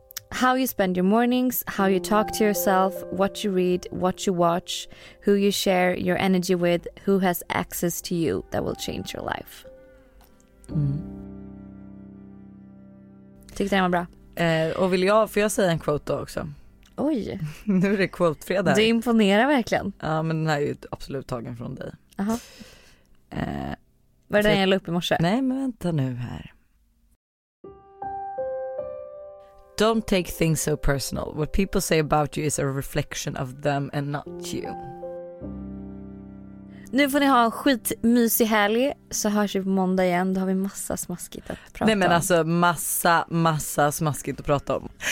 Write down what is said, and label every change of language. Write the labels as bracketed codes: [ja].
[en] How you spend your mornings, how you talk to yourself, what you read, what you watch, who you share your energy with, who has access to you, that will change your life. [sv] Tyckte den var bra. Och vill jag, får jag säga en quote då också? Oj. Nu är det quote-fredag. Du imponerar verkligen. Ja, men den här är ju absolut tagen från dig. Aha. Var det den jag la upp i morse? Nej, men vänta nu här. [en] Don't take things so personal. What people say about you is a reflection of them and not you. [sv] Nu får ni ha en skitmysig helg, så hörs vi på måndag igen. Då har vi massa smaskigt att prata om. Nej, men alltså massa smaskigt att prata om.